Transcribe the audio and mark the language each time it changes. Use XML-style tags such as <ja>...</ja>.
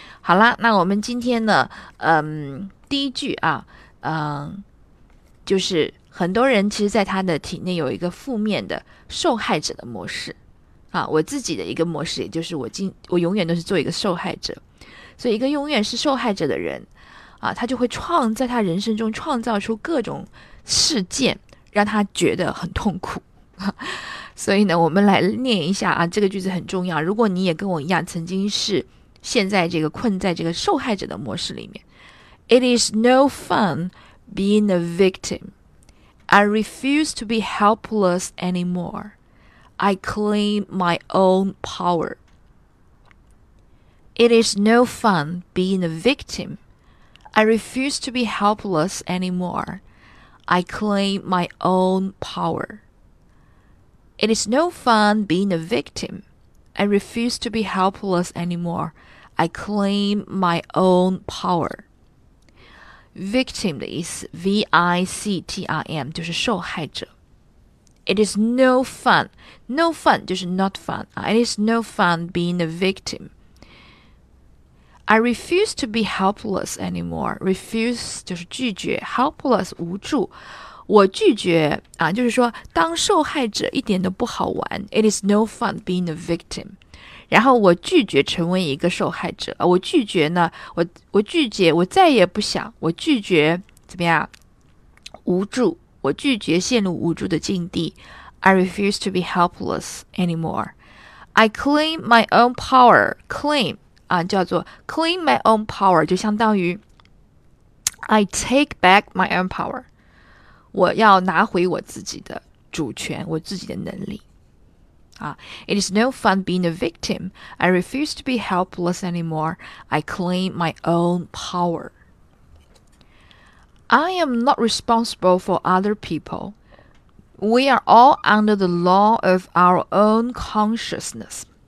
<zh>好啦，那我们今天呢，第一句啊，就是很多人其实，在他的体内有一个负面的受害者的模式，啊，我自己的一个模式，也就是我永远都是做一个受害者，所以一个永远是受害者的人，啊，他就会在他人生中创造出各种事件，让他觉得很痛苦。所以呢，我们来念一下啊，这个句子很重要。如果你也跟我一样，曾经是现在这个困在这个受害者的模式里面， It is no fun。</zh> <en>Being a victim, I refuse to be helpless anymore. I claim my own power. It is no fun being a victim. I refuse to be helpless anymore. I claim my own power. It is no fun being a victim. I refuse to be helpless anymore. I claim my own power.</en> <zh>Victim 的意思，victim 就是受害者。</zh> <en>It is no fun，no fun 就是 not fun 啊。 It is no fun being a victim. I refuse to be helpless anymore.</en> <zh>Refuse 就是拒绝，helpless 无助。我拒绝啊，就是说当受害者一点都不好玩。</zh> <en>It is no fun being a victim.</en> <zh>然后我拒绝成为一个受害者，我拒绝呢，我拒绝，我再也不想，我拒绝怎么样？无助，我拒绝陷入无助的境地。</zh> <en>I refuse to be helpless anymore. I claim my own power. Claim 啊，叫做 claim my own power 就相当于 I take back my own power.</en> <zh>我要拿回我自己的主权，我自己的能力。</zh> <en>It is no fun being a victim. I refuse to be helpless anymore. I claim my own power. I am not responsible for other people. We are all under the law of our own consciousness.</en>